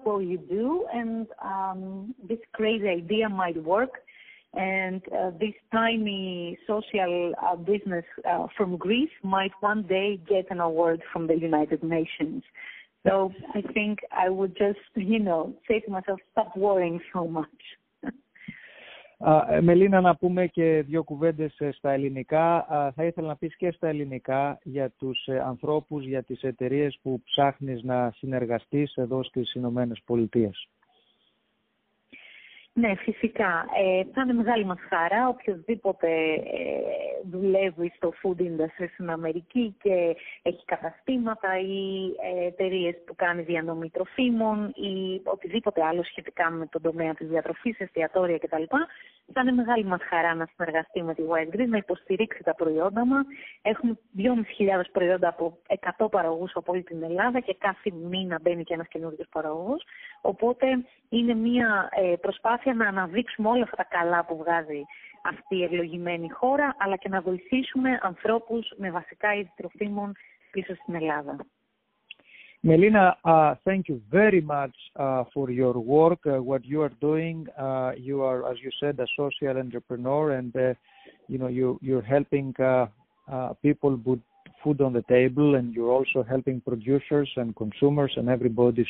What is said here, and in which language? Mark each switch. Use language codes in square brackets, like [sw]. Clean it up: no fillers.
[en] Well, you do, and this crazy idea might work. And this tiny social business from Greece might one day get an award from the United Nations. So I think I would just, you know, say to myself, stop worrying so much. [el] Μελίνα, να πούμε και δύο κουβέντες στα ελληνικά. Θα ήθελα να πεις και στα ελληνικά για τους ανθρώπους, για τις εταιρείες που ψάχνεις να συνεργαστείς εδώ στις Ηνωμένες Πολιτείες. Ναι, φυσικά. Θα είναι μεγάλη μας χαρά οποιοδήποτε δουλεύει στο food industry στην Αμερική και έχει καταστήματα ή εταιρείες που κάνει διανομή τροφίμων ή οτιδήποτε άλλο σχετικά με τον τομέα της διατροφής, εστιατόρια κτλ. Θα είναι μεγάλη μας χαρά να συνεργαστεί με τη White Grease, να υποστηρίξει τα προϊόντα μας. Έχουμε 2.500 προϊόντα από 100 παραγωγούς από όλη την Ελλάδα και κάθε μήνα μπαίνει και ένας καινούργιος παραγωγός. Οπότε είναι μια προσπάθεια να αναδείξουμε όλα αυτά τα καλά που βγάζει αυτή η ευλογημένη χώρα, αλλά και να βοηθήσουμε ανθρώπους με βασικά είδη τροφίμων πίσω στην Ελλάδα. [en] Μελίνα, thank you very much for your work, what you are doing. You are, as you said, a social entrepreneur, and you know, you're helping people put food on the table, and you're also helping producers and consumers and everybody.